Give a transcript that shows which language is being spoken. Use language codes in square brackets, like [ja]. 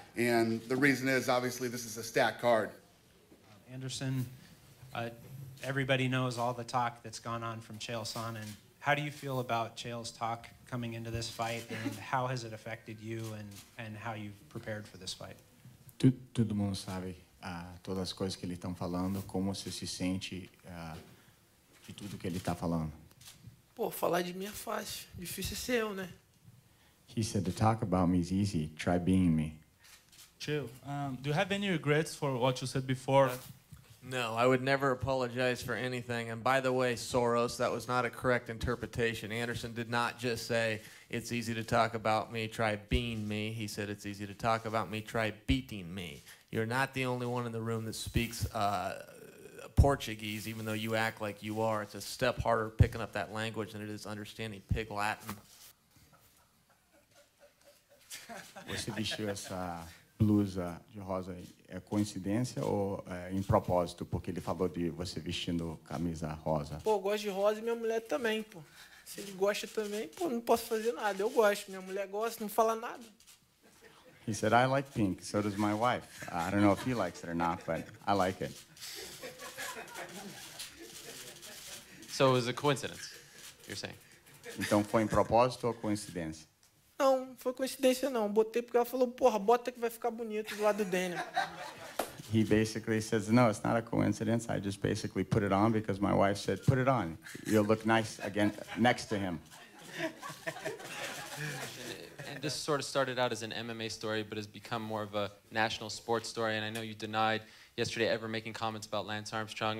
[en] And the reason is, obviously, this is a stacked card. Anderson, everybody knows all the talk that's gone on from Chael Sonnen. How do you feel about Chael's talk coming into this fight, and how has it affected you and how you've prepared for this fight? [pt] Todo mundo sabe todas as coisas que ele está falando, como você se sente de tudo que ele está falando. Pô, falar de mim é fácil. Difícil é ser eu, né? [en] He said, to talk about me is easy. Try being me. Chael, do you have any regrets for what you said before? No, I would never apologize for anything. And by the way, Soros, that was not a correct interpretation. Anderson did not just say, it's easy to talk about me, try being me. He said, it's easy to talk about me, try beating me. You're not the only one in the room that speaks Portuguese, even though you act like you are. It's a step harder picking up that language than it is understanding Pig Latin. [pt] Você vestiu essa blusa de rosa é coincidência ou é em propósito? Porque ele falou de você vestindo camisa rosa. Pô, eu gosto de rosa e minha mulher também, pô. Se ele gosta também, pô, não posso fazer nada. Eu gosto, minha mulher gosta, não fala nada. [en] He said, I like pink, so does my wife. I don't know if he likes it or not, but I like it. So it was a coincidence, you're saying? [pt] Então foi em propósito ou coincidência? Não, foi coincidência não. Botei porque ela falou, porra, bota que vai ficar bonito do lado do Daniel. [en] He basically says, no, it's not a coincidence. I just basically put it on because my wife said, put it on. You'll look nice again next to him. And this sort of started out as an MMA story, but has become more of a national sports story. And I know you denied yesterday ever making comments about Lance Armstrong.